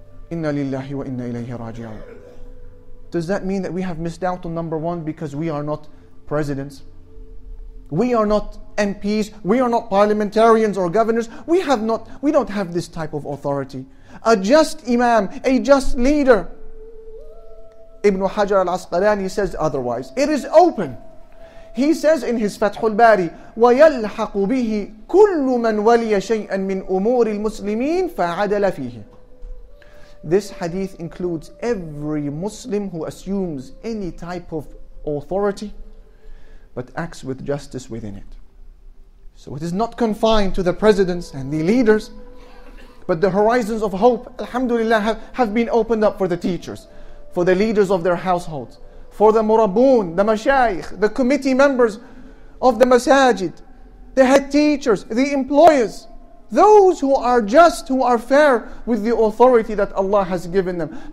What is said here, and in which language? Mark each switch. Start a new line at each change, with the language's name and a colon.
English: Inna lillahi wa inna ilayhi raji'un. Does that mean that we have missed out on number one because we are not presidents? We are not MPs, we are not parliamentarians or governors, we don't have this type of authority. A just imam, a just leader. Ibn Hajar al-Asqalani says otherwise. It is open. He says in his Fathul Bari,
Arabic: وَيَلْحَقُ بِهِ كُلُّ مَنْ وَلِيَ شَيْئًا مِنْ أُمُورِ الْمُسْلِمِينَ فَعَدَلَ فِيهِ.
English: This hadith includes every Muslim who assumes any type of authority but acts with justice within it. So it is not confined to the presidents and the leaders, but the horizons of hope, alhamdulillah, have been opened up for the teachers, for the leaders of their households, for the murabun, the mashayikh, the committee members of the masajid, the head teachers, the employers, those who are just, who are fair with the authority that Allah has given them.